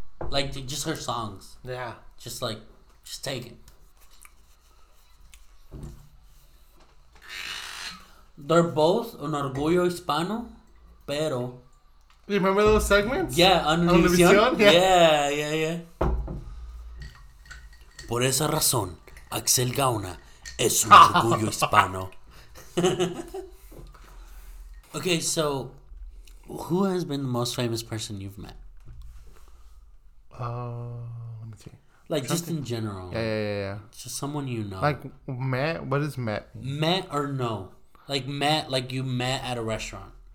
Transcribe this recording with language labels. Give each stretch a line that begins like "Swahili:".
English: Like, just her songs. Yeah. Just, like, just take it. They're both
Spanish: un orgullo hispano, pero...
English: You remember those segments? Yeah, on Univision. Yeah.
Spanish: Por esa razón, Axel Gauna es un orgullo hispano.
English: Okay, so who has been the most famous person you've met? Let me see. Like, just in general. Yeah. Just someone you know. Like, met? What is met? Met or no. Like, met, like you met at a restaurant.